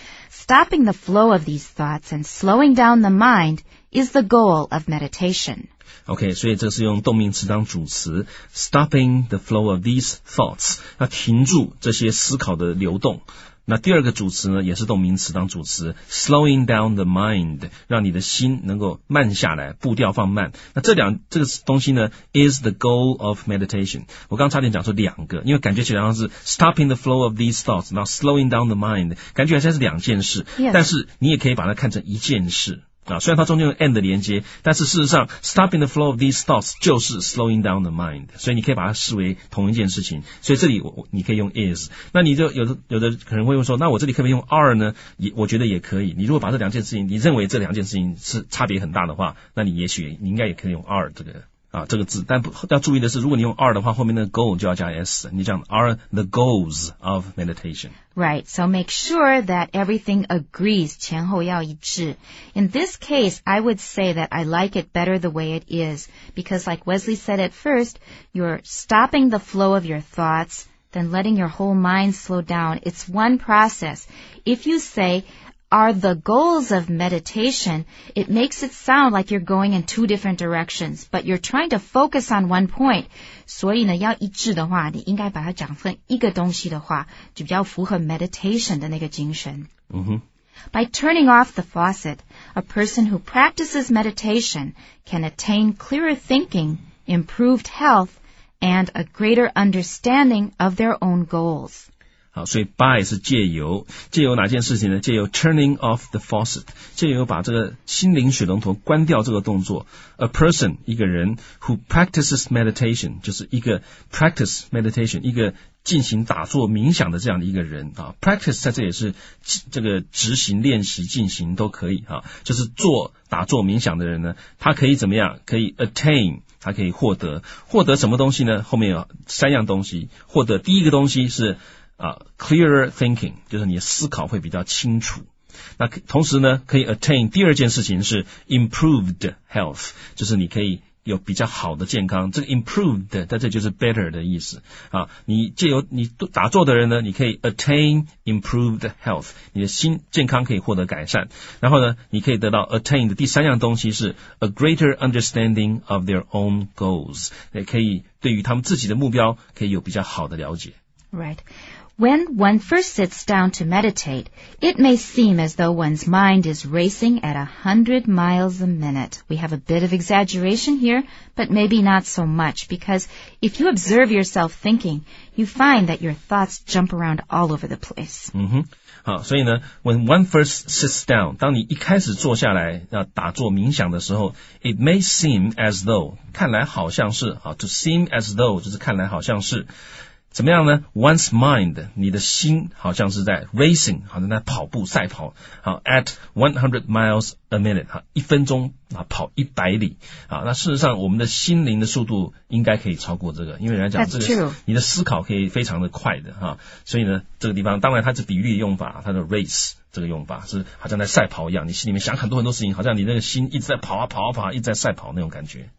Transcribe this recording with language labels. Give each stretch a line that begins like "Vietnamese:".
English: Stopping the flow of these thoughts and slowing down the mind is the goal of meditation.
Chinese: Okay, 所以这是用动名词当主词
English: Stopping the flow of these thoughts
Chinese: 那停住这些思考的流动那第二个主词呢也是动名词当主词
English: Slowing down the mind
Chinese: 让你的心能够慢下来步调放慢那这个东西呢
English: is the goal of meditation
Chinese: 我刚刚差点讲说两个因为感觉起来好像是 stopping the flow of these thoughts 然后 slowing down the mind 感觉好像是两件事、
English: yes.
Chinese: 但是你也可以把它看成一件事啊，虽然它中间有 and 的连接但是事实上
English: stopping the flow of these thoughts
Chinese: 就是
English: slowing down the mind
Chinese: 所以你可以把它视为同一件事情所以这里你可以用 is 那你就有的可能会用说那我这里可不可以用 are 呢我觉得也可以你如果把这两件事情你认为这两件事情是差别很大的话那你也许你应该也可以用 are 这个字但不要注意的是如果你用 are 的话后面的 goal 就要加 s 你讲
English: are the goals of meditation Right, so make sure that everything agrees
Chinese: 前后要一致
English: In this case, I would say that I like it better the way it is because like Wesley said at first you're stopping the flow of your thoughts then letting your whole mind slow down it's one process If you sayare the goals of meditation, it makes it sound like you're going in two different directions, but you're trying to focus on one point.
Chinese: 所以呢要一致的话你应该把它讲成一个东西的话就比较符合 meditation 的那个精神。 Mm-hmm.
English: By turning off the faucet, a person who practices meditation can attain clearer thinking, improved health, and a greater understanding of their own goals.
Chinese: 好所以 by 是借由哪件事情呢借由
English: turning off the faucet,
Chinese: 借由把这个心灵水龙头关掉这个动作 ,a person, 一个人
English: who practices meditation,
Chinese: 就是一个
English: practice meditation,
Chinese: 一个进行打坐冥想的这样的一个人、啊、practice 在这也是这个执行练习进行都可以、啊、就是做打坐冥想的人呢他可以怎么样可以 attain,他可以获得什么东西呢后面有三样东西获得第一个东西是
English: clearer thinking,
Chinese: 就是你思考会比较清楚。那同时呢可以 attain 第二件事情是
English: improved health,
Chinese: 就是你可以有比较好的健康。这个 improved, 在这就是 better 的意思。啊你借由你打坐的人呢你可以
English: attain improved health,
Chinese: 你的心健康可以获得改善。然后呢你可以得到 attain 的第三样东西是
English: a greater understanding of their own goals,
Chinese: 也可以对于他们自己的目标可以有比较好的了解。
English: Right. When one first sits down to meditate, it may seem as though one's mind is racing at 100 miles a minute. We have a bit of exaggeration here, but maybe not so much, because if you observe yourself thinking, you find that your thoughts jump around all over the place. Mm-hmm.
Chinese: 好，所以呢,
English: when one first sits down,
Chinese: 当你一开始坐下来要打坐冥想的时候,
English: it may seem as though,
Chinese: 看来好像是,
English: to seem as though,
Chinese: 就是看来好像是。怎么样呢 ?One's mind, 你的心好像是在 racing, 好像在跑步赛跑好 ,
English: at 100 miles a minute,
Chinese: 好一分钟好跑一百里好那事实上我们的心灵的速度应该可以超过这个因为人家讲这个你的思考可以非常的快的好所以呢这个地方当然它是比喻的用法它的 race, 这个用法是好像在赛跑一样你心里面想很多很多事情好像你那个心一直在跑啊跑啊跑啊一直在赛跑那种感觉。